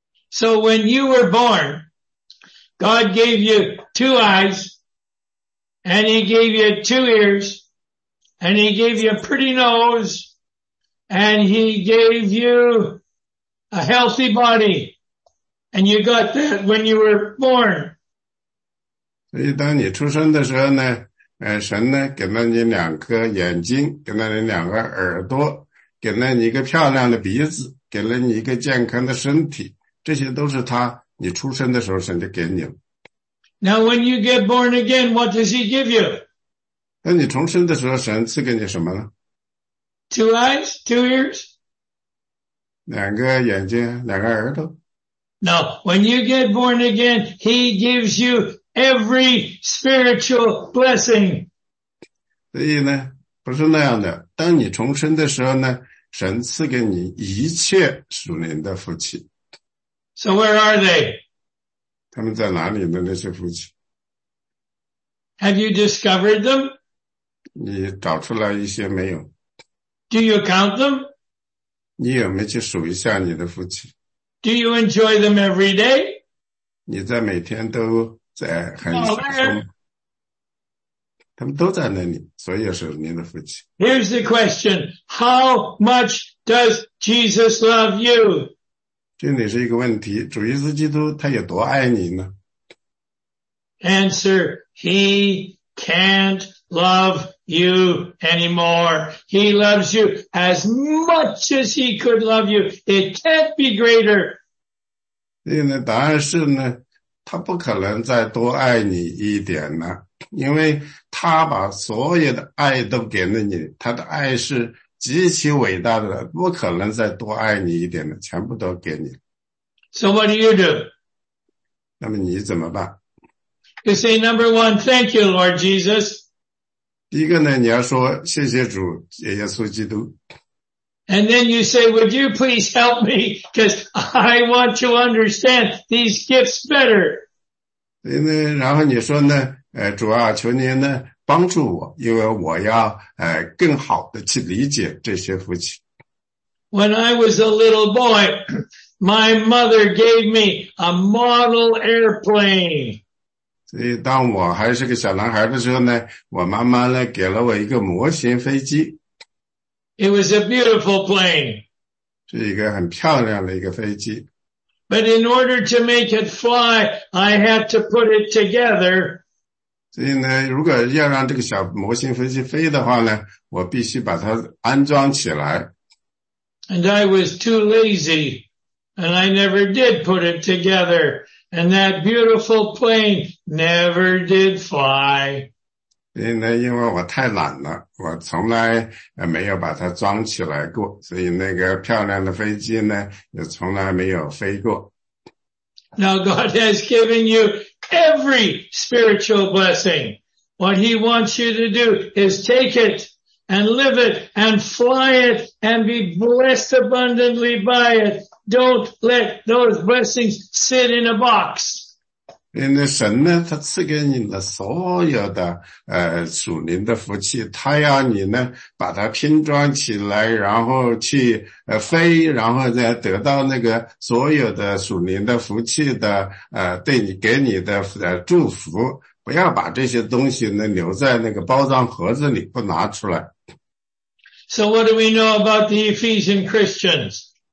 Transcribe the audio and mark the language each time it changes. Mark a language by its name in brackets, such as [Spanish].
[English] So when you were born, God gave you two eyes, and he gave you two ears, and he gave you a pretty nose, and he gave you a healthy body. And you got that when you were born. [Chinese] 所以当你出生的时候呢，神呢给了你两颗眼睛，给了你两个耳朵，给了你一个漂亮的鼻子，给了你一个健康的身体，这些都是他你出生的时候神就给你了。 [English] Now when you get born again, what does he give you? [Chinese] 那你重生的时候神赐给你什么呢？ [English] Two eyes, two ears. [Chinese] 两个眼睛，两个耳朵。 [English] Now, when you get born again, he gives you every spiritual blessing. [Chinese] 所以呢，不是那样的。当你重生的时候呢，神赐给你一切属灵的福气。 [English] So where are they? [Chinese] 他们在哪里的那些福气？ [English] Have you discovered them? [Chinese] 你找出来一些没有？ [English] Do you count them? [Chinese] 你有没有去数一下你的福气？ [English] Do you enjoy them every day? [Chinese] 你在每天都在很享受吗？他们都在那里，所以是您的福气。 [English] Here's the question. How much does Jesus love you? [Chinese] 这里是一个问题，主耶稣基督他有多爱你呢？ [English] Answer, he can't love you anymore. He loves you as much as he could love you. It can't be greater. [Chinese] 所以呢，答案是呢，他不可能再多爱你一点了。因为他把所有的爱都给了你，他的爱是极其伟大的，不可能再多爱你一点的，全部都给你。 [English] So what do you do? [Chinese] 那么你怎么办？ [English] You say number one, thank you, Lord Jesus. [Chinese] 第一个呢，你要说谢谢主耶稣基督。 [English] And then you say, would you please help me? Because I want to understand these gifts better. [Chinese] 然后你说呢，主啊，求您呢帮助我，因为我要更好的去理解这些福气。 [English] When I was a little boy, my mother gave me a model airplane. [Chinese] 所以当我还是个小男孩的时候呢，我妈妈呢给了我一个模型飞机。 [English] It was a beautiful plane. [Chinese] 是一个很漂亮的一个飞机。 [English] But in order to make it fly, I had to put it together. [Chinese] 所以呢，如果要让这个小模型飞机飞的话呢，我必须把它安装起来。 [English] And I was too lazy, and I never did put it together, and that beautiful plane never did fly. [Chinese] 所以呢，因为我太懒了，我从来没有把它装起来过，所以那个漂亮的飞机呢，也从来没有飞过。 [English] Now God has given youEvery spiritual blessing, what he wants you to do is take it and live it and fly it and be blessed abundantly by it. Don't let those blessings sit in a box. [Chinese] 因为神呢，他赐给你的所有的属灵的福气，他要你呢把它拼装起来，然后去飞，然后再得到那个所有的属灵的福气的对你给你的祝福。不要把这些东西呢留在那个包装盒子里不拿出来。 [English] So what do we know about the Ephesian Christians?